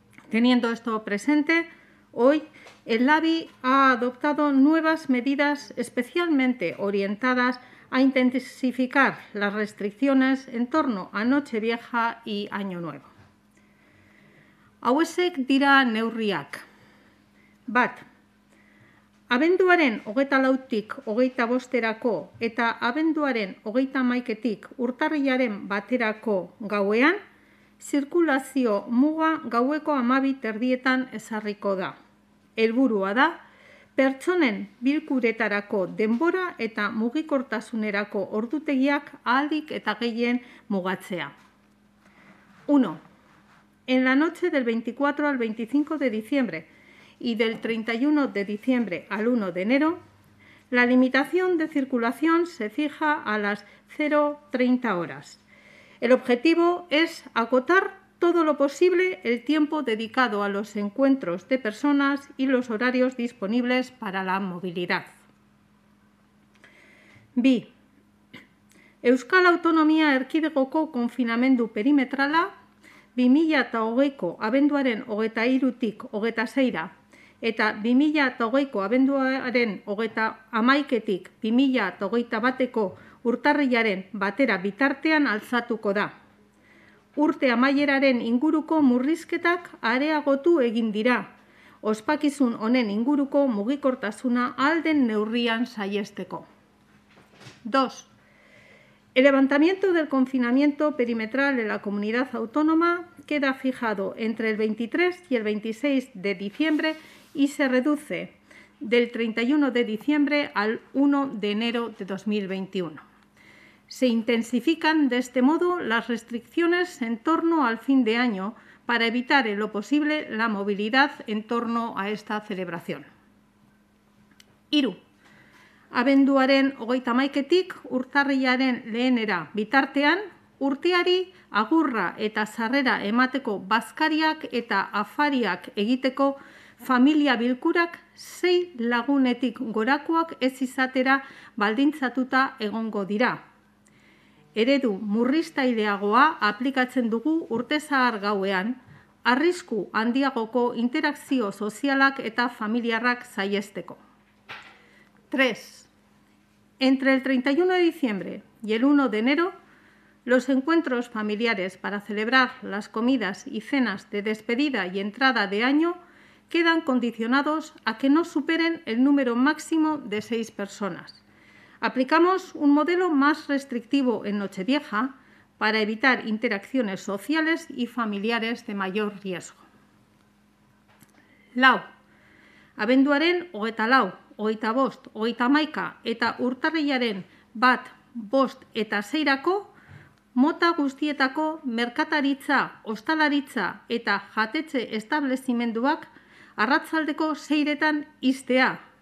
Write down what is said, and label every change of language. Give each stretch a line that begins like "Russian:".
Spanish: Teniendo esto presente, hoy el LABI ha adoptado nuevas medidas especialmente orientadas a intensificar las restricciones en torno a Nochevieja y Año Nuevo.
Basque: Hauesek dira neurriak. Bat, abenduaren 24-tik 25-erako eta abenduaren 31-tik urtarrilaren baterako gauean, zirkulazio muga gaueko 12:30 ezarriko da. Helburua da, pertsonen bilkuretarako denbora eta mugikortasunerako ordutegiak ahalik eta gehien mugatzea.
Spanish: 1. En la noche del 24 al 25 de diciembre y del 31 de diciembre al 1 de enero, la limitación de circulación se fija a las 0:30 horas. El objetivo es acotar todo lo posible el tiempo dedicado a los encuentros de personas y los horarios disponibles para la movilidad.
Basque: Bi. Euskal Autonomia Erkidegoko konfinamendu perimetrala 2020ko abenduaren 23-tik 26-ra eta 2020ko abenduaren 31-tik 2021ko urtarrilaren batera bitartean alzatuko da. Urte amaieraren inguruko murrizketak areagotu egin dira, ospakizun honen inguruko mugikortasuna alden neurrian saiesteko.
Spanish: 2. El levantamiento del confinamiento perimetral en la comunidad autónoma queda fijado entre el 23 y el 26 de diciembre y se reduce del 31 de diciembre al 1 de enero de 2021. Se intensifican de este modo las restricciones en torno al fin de año para evitar en lo posible la movilidad en torno a esta celebración.
Basque: Hiru. Abenduaren 31-tik urtarrilaren lehenera bitartean, urteari agurra eta sarrera emateko bazkariak eta afariak egiteko familia bilkurak 6 lagunetik gorakoak ez izatera baldintzatuta egongo dira. Eredu murriztaileagoa aplikatzen dugu urte zahar gauean, arrisku handiagoko interakzio sozialak eta familiarrak saiesteko.
Spanish: 3. Entre el 31 de diciembre y el 1 de enero, los encuentros familiares para celebrar las comidas y cenas de despedida y entrada de año quedan condicionados a que no superen el número máximo de 6 personas. Aplicamos un modelo más restrictivo en Nochevieja para evitar interacciones sociales y familiares de mayor riesgo. 4.
Basque: Abenduaren 24, 25, 31 eta urtarrilaren 1, 5 eta 6erako mota guztietako merkataritza, ostalaritza eta jatetxe establezimenduak arratsaldeko 6etan iztea.